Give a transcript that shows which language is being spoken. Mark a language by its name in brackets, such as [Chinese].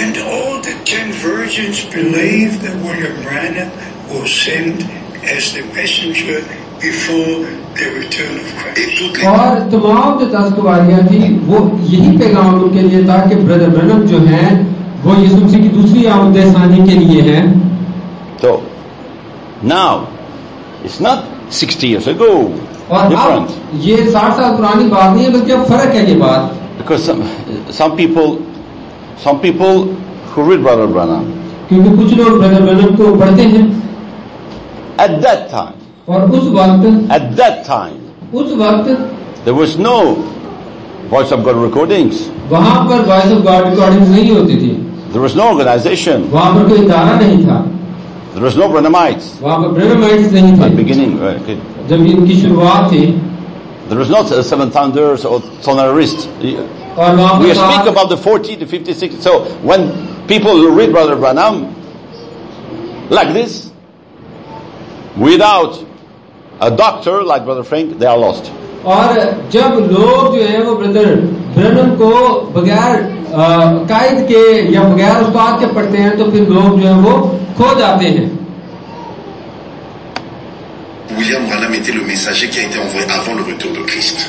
[English] And all the 10 virgins believed that William Branham was sent as the messenger before the return of Christ. [Hindi] और तमाम जो 10 कुमारियां थी वो यही पैगाम उनके लिए था कि ब्रदर ब्रैनम जो हैं वो यीशु मसीह की दूसरी आमद आसानी के लिए है. [English] तो now it's not 60 years ago. [Hindi] ये 60 साल पुरानी बात नहीं है बल्कि अब फर्क है ये बात. [English] because some people who read Brother Branham, [Hindi] क्योंकि कुछ लोग Brother Branham को पढ़ते हैं. [English] at that time, [Hindi] और उस वक्त, [English] at that time, [Hindi] उस वक्त [English] There was no Voice of God recordings. [Hindi] वहाँ पर Voice of God recordings नहीं होती थी. [English] There was no organization. [Hindi] वहाँ पर कोई इदारा नहीं था. [English] There was no Branhamites. [Hindi] वहाँ पर Branhamites नहीं थे. [English] At beginning, okay. [Hindi] जब इनकी शुरुआत थी. [English] There was not a seven thunders or tonarists. [Hindi] और वहाँ पर [English] we speak about the 40 to 56. So when people read Brother Branham like this, without a doctor like Brother Frank, they are lost. [Hindi] और जब लोग जो है वो ब्रदर ब्रैनम को बगैर कायद के या बगैर उस्ताद के पढ़ते हैं तो फिर लोग जो है वो खो जाते हैं. [French] William Branham était le messager qui a été envoyé avant le retour de Christ.